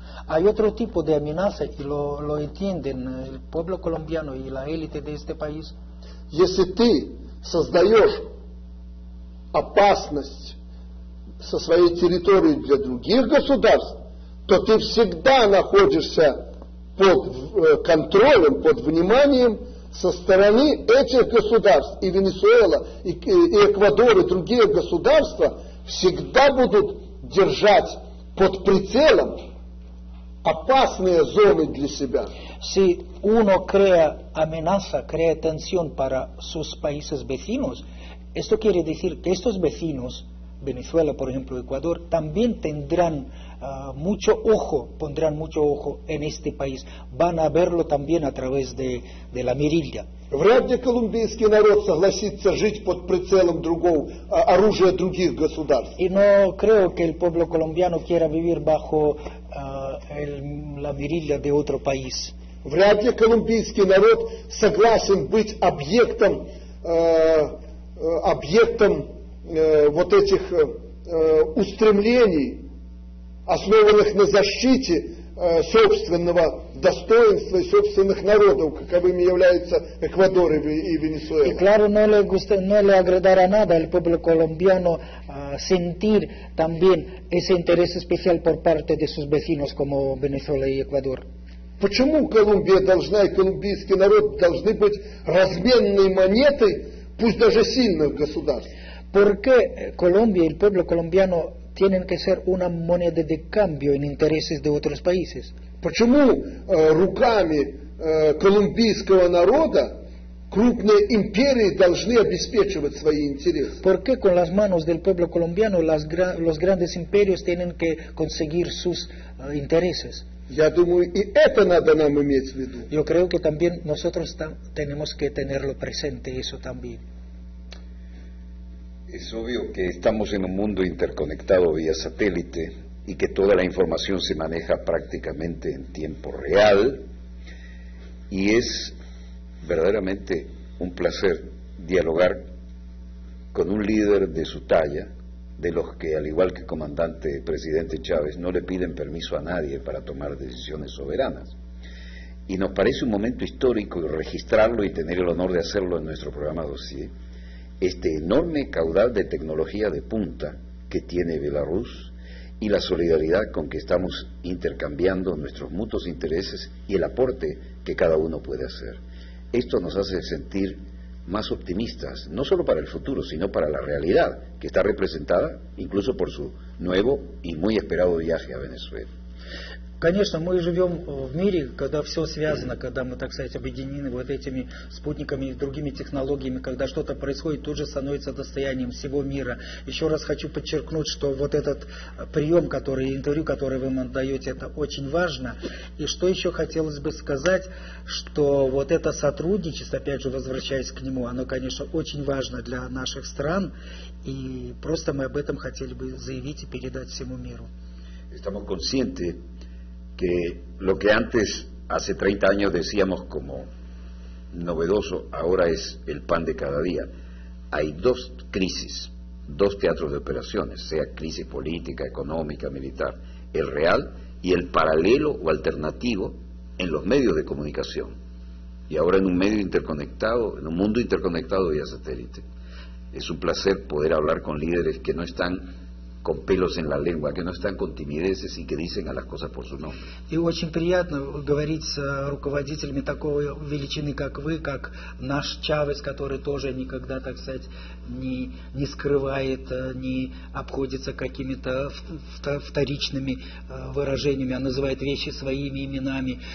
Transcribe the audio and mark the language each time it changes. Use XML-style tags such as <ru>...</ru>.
<es>Hay otro tipo de amenaza y lo entienden el pueblo colombiano y la élite de este país.</es> <ru>Если ты создаешь опасность со своей территории для других государств, то ты всегда находишься под контролем, под вниманием со стороны этих государств, и Венесуэла, и Эквадор, и другие государства всегда будут держать под прицелом опасные зоны для себя.</ru> <es>Si uno crea amenaza, crea tensión para sus países vecinos, esto quiere decir que estos vecinos, Venezuela, por ejemplo, Ecuador, también tendrán mucho ojo, pondrán mucho ojo en este país. Van a verlo también a través de la mirilla.</es> <ru>Вряд ли колумбийский народ согласится жить под прицелом другого оружия других государств.</ru> <es>Y no creo que el pueblo colombiano quiera vivir bajo la mirilla de otro país.</es> <ru>Вряд ли колумбийский народ согласен быть объектом вот этих устремлений, основанных на защите собственного достоинства и собственных народов, каковыми являются Эквадор и Венесуэла.</ru> <es>Y claro, no le agradará nada al pueblo colombiano sentir también ese interés especial por parte de sus vecinos como Venezuela y Ecuador.</es> <ru>Почему Колумбия должна и колумбийский народ должны быть разменной монетой, пусть даже сильных государств?</ru> <es>¿Por qué Colombia, el pueblo colombiano, tienen que ser una moneda de cambio en intereses de otros países.</es> <ru>Почему руками колумбийского народа крупные империи должны обеспечивать свои интересы?</ru> <es>¿Por qué con las manos del pueblo colombiano las los grandes imperios tienen que conseguir sus intereses?</es> <ru>Я думаю, и это надо нам иметь в виду.</ru> <es>Yo creo que también nosotros tenemos que tenerlo presente eso también. Es obvio que estamos en un mundo interconectado vía satélite y que toda la información se maneja prácticamente en tiempo real, y es verdaderamente un placer dialogar con un líder de su talla, de los que, al igual que comandante presidente Chávez, no le piden permiso a nadie para tomar decisiones soberanas. Y nos parece un momento histórico registrarlo y tener el honor de hacerlo en nuestro programa Dossier, este enorme caudal de tecnología de punta que tiene Belarus y la solidaridad con que estamos intercambiando nuestros mutuos intereses y el aporte que cada uno puede hacer. Esto nos hace sentir más optimistas, no solo para el futuro, sino para la realidad que está representada incluso por su nuevo y muy esperado viaje a Venezuela.</es> <ru>Конечно, мы живем в мире, когда все связано, когда мы, так сказать, объединены вот этими спутниками и другими технологиями, когда что-то происходит, тут же становится достоянием всего мира. Еще раз хочу подчеркнуть, что вот этот прием, который, интервью, который вы нам даете, это очень важно. И что еще хотелось бы сказать, что вот это сотрудничество, опять же, возвращаясь к нему, оно, конечно, очень важно для наших стран, и просто мы об этом хотели бы заявить и передать всему миру.</ru> <es>Estamos conscientes que lo que antes, hace 30 años, decíamos como novedoso, ahora es el pan de cada día. Hay dos crisis, dos teatros de operaciones, sea crisis política, económica, militar, el real y el paralelo o alternativo en los medios de comunicación. Y ahora en un medio interconectado, en un mundo interconectado vía satélite. Es un placer poder hablar con líderes que no están con pelos en la lengua, que no están con timideces y que dicen a las cosas por su nombre. Y</es> <ru>очень приятно говорить с руководителями такой величины, как вы, как наш Чавес, который тоже никогда, так сказать, не скрывает, не обходится какими-то вторичными выражениями, а называет вещи своими именами.</ru>